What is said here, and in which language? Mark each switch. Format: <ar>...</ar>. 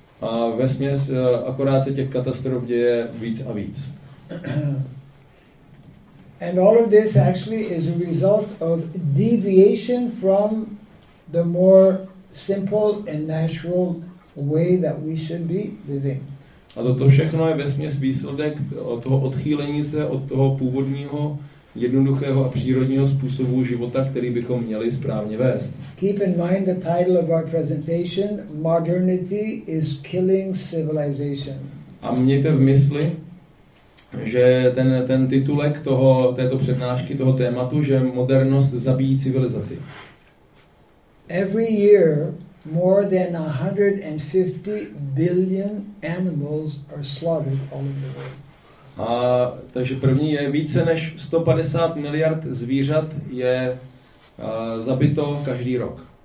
<cs>A vesměs akorát se těch katastrof děje víc a víc.</cs> <en>And all of this actually is a result of deviation from the more simple and natural way that we should be living.</en> <cs>A toto všechno je vesměs výsledek toho odchýlení se od toho původního jednoduchého a přírodního způsobu života, který bychom měli správně vést.</cs> <en>Keep in mind the title of our presentation, Modernity is Killing Civilization.</en> <cs>A mějte v mysli, že ten titulek toho, této přednášky, toho tématu, že modernost zabíjí civilizaci.</cs> <en>Every year more than 150 billion animals are slaughtered all over the world.</en> <cs>A takže první je více než 150 miliard zvířat je zabito každý rok.</cs>